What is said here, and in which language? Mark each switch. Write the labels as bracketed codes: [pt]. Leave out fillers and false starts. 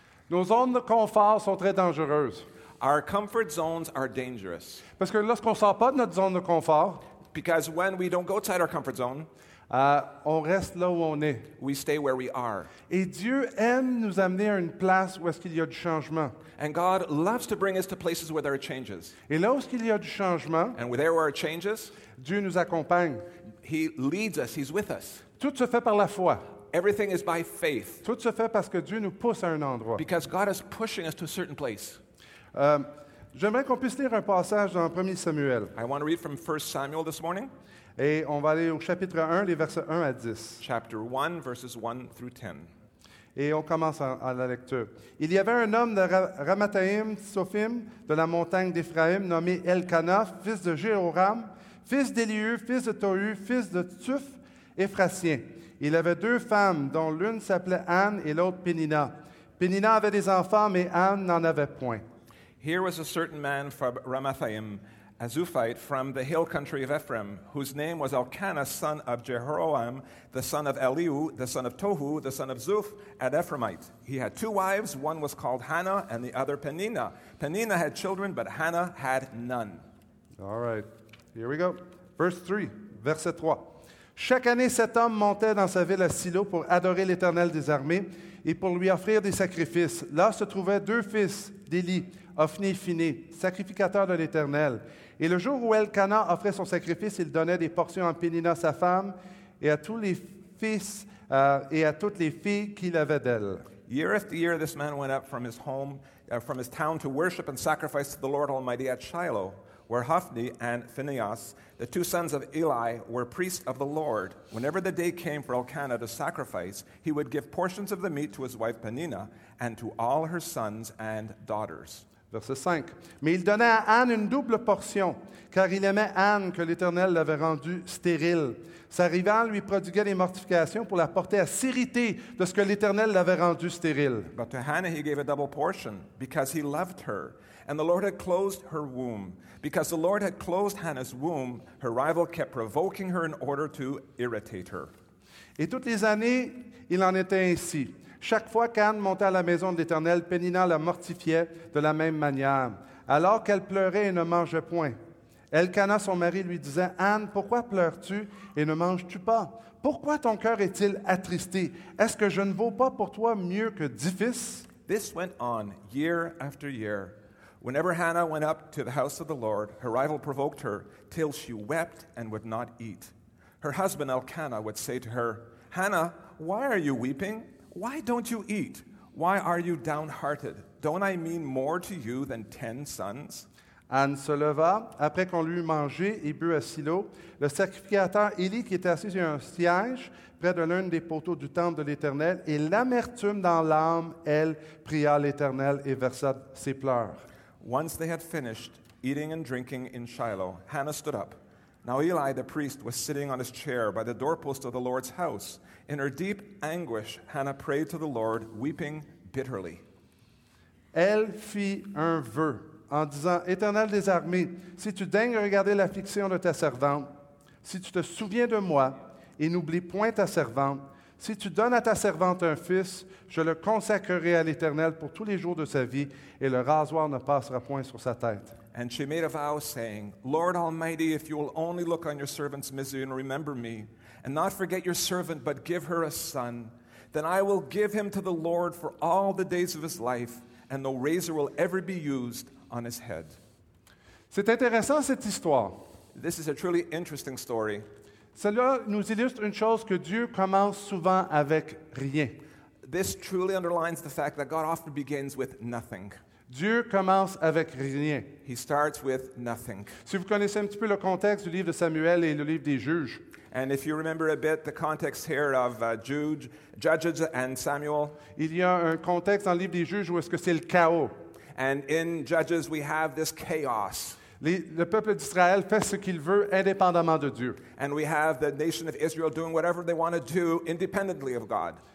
[fr] Nos zones de confort sont très dangereuses. [en] Our comfort zones are dangerous. [fr] Parce que lorsqu'on sort pas de notre zone de confort, [en] because when we don't go outside our comfort zone, [fr] on reste là où on est. [en] We stay where we are. [fr] Et Dieu aime nous amener à une place où est-ce qu'il y a du changement. [en] And God loves to bring us to places where there are changes. [fr] Et là où est-ce qu'il y a du changement, [en] and where there are changes, [fr] Dieu nous accompagne. [en] He leads us. He's with us. [fr] Tout se fait par la foi. [en] Everything is by faith. [fr] Tout se fait parce que Dieu nous pousse à un endroit. [en] Because God is pushing us to a certain place. [fr] J'aimerais qu'on puisse lire un passage dans 1 Samuel. [en] I want to read from 1 Samuel this morning. [fr] Et on va aller au chapitre 1, les versets 1 à 10. [en] Chapter 1, verses 1 through 10. [fr] Et on commence à la lecture. Il y avait un homme de Ramathaïm, Sophim, de la montagne d'Éphraïm, nommé Elkanah, fils de Jéhoram, fils d'Éliu, fils de Tohu, fils de Tsuf, Éphratien. Il avait deux femmes, dont l'une s'appelait Anne et l'autre Pénina. Pénina avait des enfants, mais Anne n'en avait point. [en] Here was a certain man from Ramathaim, a Zuphite from the hill country of Ephraim, whose name was Elkanah, son of Jehoram, the son of Eliu, the son of Tohu, the son of Zuph, an Ephraimite. He had two wives. One was called Hannah, and the other Penina. Penina had children, but Hannah had none. All right. Here we go. Verse 3. [fr] Verset 3. Chaque année, cet homme montait dans sa ville à Silo pour adorer l'Éternel des armées et pour lui offrir des sacrifices. Là se trouvaient deux fils d'Eli, Ophni et Phiné, sacrificateur de l'Éternel. Et le jour où Elkanah offrait son sacrifice, il donnait des portions à Pénina, sa femme, et à tous les fils et à toutes les filles qu'il avait d'elle. [en] Year after year, this man went up from his home, from his town, to worship and sacrifice to the Lord Almighty at Shiloh, where Hophni and Phinehas, the two sons of Eli, were priests of the Lord. Whenever the day came for Elkanah to sacrifice, he would give portions of the meat to his wife Penina and to all her sons and daughters. [fr] Verset 5. Mais il donna à Anne une double portion, car il aimait Anne, que l'Éternel l'avait rendue stérile. Sa rivale lui prodiguait des mortifications pour la porter à s'irriter de ce que l'Éternel l'avait rendue stérile. [en] But to Hannah he gave a double portion, because he loved her. And the Lord had closed her womb. Because the Lord had closed Hannah's womb, her rival kept provoking her in order to irritate her. [fr] Et toutes les années, il en était ainsi. Chaque fois qu'Anne montait à la maison de l'Éternel, Pénina la mortifiait de la même manière. Alors qu'elle pleurait et ne mangeait point, Elkana, son mari, lui disait, « Anne, pourquoi pleures-tu et ne manges-tu pas? Pourquoi ton cœur est-il attristé? Est-ce que je ne vaux pas pour toi mieux que 10 fils? » [en] This went on year after year. Whenever Hannah went up to the house of the Lord, her rival provoked her till she wept and would not eat. Her husband Elkanah would say to her, Hannah, why are you weeping? Why don't you eat? Why are you downhearted? Don't I mean more to you than 10 sons? [fr] Anne se leva, après qu'on lui eut mangé et bu à Silo. Le sacrificateur Élie, qui était assis sur un siège près de l'un des poteaux du temple de l'Éternel, et l'amertume dans l'âme, elle pria l'Éternel et versa ses pleurs. [en] Once they had finished eating and drinking in Shiloh, Hannah stood up. Now Eli, the priest, was sitting on his chair by the doorpost of the Lord's house. In her deep anguish, Hannah prayed to the Lord, weeping bitterly. [fr] Elle fit un vœu en disant, « Éternel des armées, si tu daignes regarder l'affliction de ta servante, si tu te souviens de moi et n'oublies point ta servante, si tu donnes à ta servante un fils, je le consacrerai à l'Éternel pour tous les jours de sa vie et le rasoir ne passera point sur sa tête. » [en] And she made a vow, saying, Lord Almighty, if you will only look on your servant's misery and remember me, and not forget your servant, but give her a son, then I will give him to the Lord for all the days of his life, and no razor will ever be used on his head. [fr] C'est intéressant, cette histoire. [en] This is a truly interesting story. [fr] Cela nous illustre une chose que Dieu commence souvent avec rien. [en] This truly underlines the fact that God often begins with nothing. [fr] Dieu commence avec rien. [en] He starts with nothing. [fr] Si vous connaissez un petit peu le contexte du livre de Samuel et le livre des juges. [en] And if you remember a bit the context here of Judges and Samuel. [fr] Il y a un contexte dans le livre des juges où est-ce que c'est le chaos. [en] And in Judges we have this chaos. [fr] Le peuple d'Israël fait ce qu'il veut indépendamment de Dieu. [en] And we have the nation of Israel doing whatever they want to do independently of God.